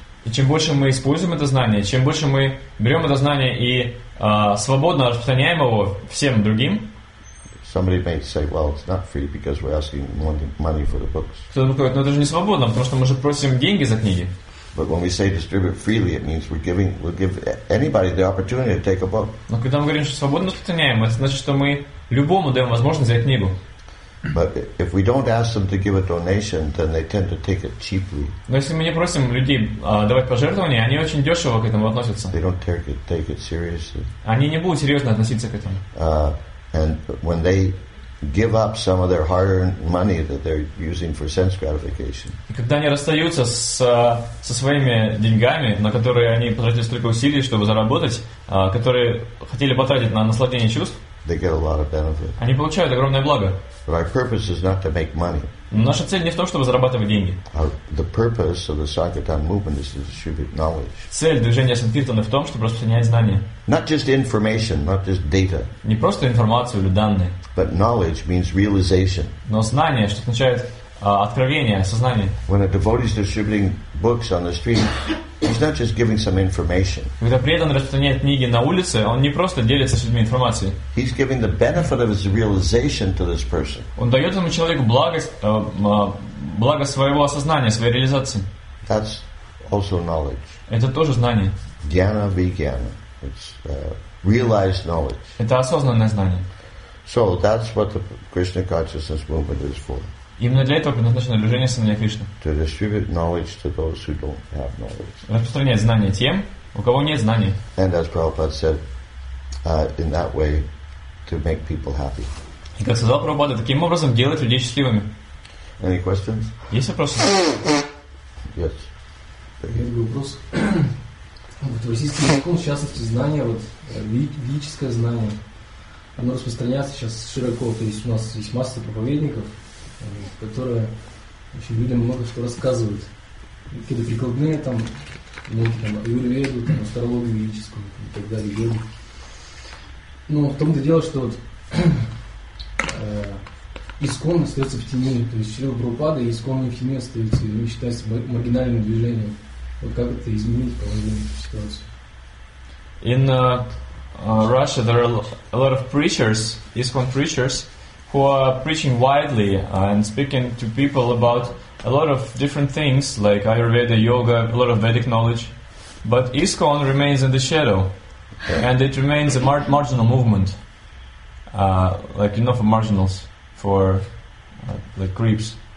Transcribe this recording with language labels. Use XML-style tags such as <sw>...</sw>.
<ru>И чем больше мы используем это знание, чем больше мы берем это знание и свободно распространяем его всем другим.</ru> <en>Somebody may say, well, it's not free because we're asking money for the books.</en> <ru>Кто-то говорит, ну это же не свободно, потому что мы же просим деньги за книги.</ru> <en>But when we say distribute freely, it means we'll give anybody the opportunity to take a book.</en> <ru>Но когда мы говорим, что свободно распространяем, это значит, что мы любому даем возможность взять книгу.</ru> <en>But if we don't ask them to give a donation, then they tend to take it cheaply.</en> <ru>Но если мы не просим людей давать пожертвования, они очень дешево к этому относятся.</ru> <en>They don't take it seriously.</en> <ru>Они не будут серьезно относиться к этому.</ru> <en>And when they give up some of their hard-earned money that they're using for sense gratification.</en> <ru>И когда они расстаются со своими деньгами, на которые они потратили столько усилий, чтобы заработать, которые хотели потратить на наслаждение чувств,</ru> <en>they get a lot of benefit.</en> <ru>Они получают огромное благо.</ru> <en>But our purpose is not to make money.</en> <ru>Наша цель не в том, чтобы зарабатывать деньги.</ru> <en>The purpose of the Sankirtan movement is to distribute knowledge.</en> <ru>Цель движения Санкиртаны в том, чтобы распространять знания.</ru> <en>Not just information, not just data.</en> <ru>Не просто информацию или данные.</ru> <en>But knowledge means realization.</en> <ru>Но знание, что означает откровение, сознание.</ru> <en>When a devotee is distributing books on the street, he's not just giving some information.</en> <ru>Когда преданный распространяет книги на улице, он не просто делится с людьми информацией.</ru> <en>He's giving the benefit of his realization to this person.</en> <ru>Он дает этому человеку благо своего осознания, своей реализации.</ru> <en>That's also knowledge.</en> <ru>Это тоже знание.</ru> <en>Jnana vijnana. It's realized knowledge.</en> <ru>Это осознанное знание.</ru> <en>So that's what the Krishna consciousness movement is for.</en> <ru>Именно для этого предназначено движение сознания Кришны.</ru> <en>To distribute knowledge to those who don't have knowledge.</en> <ru>Распространять знания тем, у кого нет знаний.</ru> <en>And as Prabhupada said, in that way, to make people happy.</en> <ru>И как сказал Прабхупада, таким образом делать людей счастливыми.</ru> <en>Any questions?</en> <ru>Есть вопросы?</ru> <en>Yes.</en> <ru>Один вопрос. Вот российский закон, в частности, знание, вот ведическое знание, оно распространяется сейчас широко. То есть у нас есть масса проповедников, которые очень людям много что рассказывают. Какие-то прикладные там науки, там аюрведу, там астрологию ведическую и так далее, йогу. Но в том-то дело, что вот искон остается в тени. То есть Шрила Прабхупада и искон не в тени остается, и считается маргинальным движением. Вот как это изменить положение в ситуации?</ru> <en>Russia, there are a lot of preachers, ISKCON preachers, who are preaching widely and speaking to people about a lot of different things like Ayurveda, yoga, a lot of Vedic knowledge. But ISKCON remains in the shadow, and it remains a marginal movement, like, you know, for marginals, for like creeps.</en>